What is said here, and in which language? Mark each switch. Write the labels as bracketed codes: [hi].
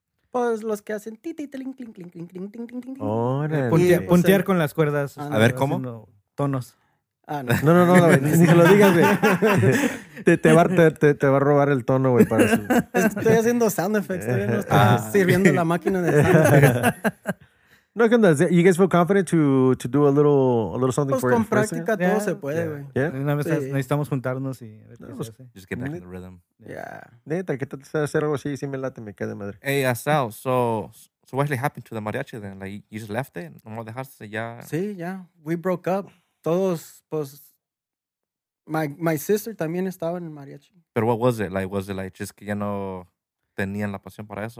[es] Pues los que hacen titi tling tling tling tling tling tling tling. Puntear con las cuerdas. A ver cómo. Tonos. No, ni se lo digas, güey. Te va a robar el tono, güey, para eso. Estoy haciendo sound effects, estoy sirviendo la máquina de sound effects. No, ¿qué onda? [en] You guys feel confident to do a little something for [es] you? Pues con práctica todo se puede, güey. Una vez necesitamos juntarnos y [en] just get back in the rhythm. Yeah. [es] ¿Qué tal hacer algo así? Si me late, me cae de madre. [en] Hey, Asal, so what actually happened to the mariachi then? Like, you just left it? No more [es] dejaste ya? Sí, ya. [en] We broke up. [es] Todos, pues, [en] my sister [es] también estaba en el mariachi. [en] But what was it? Like, was it like just [es] que ya no tenían la pasión para eso?